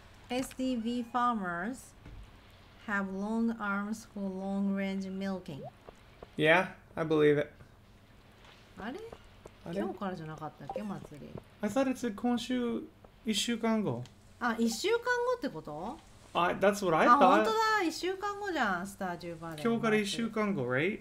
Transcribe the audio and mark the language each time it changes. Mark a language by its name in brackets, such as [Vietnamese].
[English] SDV farmers have long arms for long range milking. Yeah, I believe it. Are they? [Japanese] 今日からじゃなかったっけ祭り? [English] I thought it said [Japanese] 今週一週間後。あ、一週間後ってこと? [English] That's what I thought. [Japanese] あ、本当だ。一週間後じゃん、スタージューバーで。今日から一週間後、 [English] right?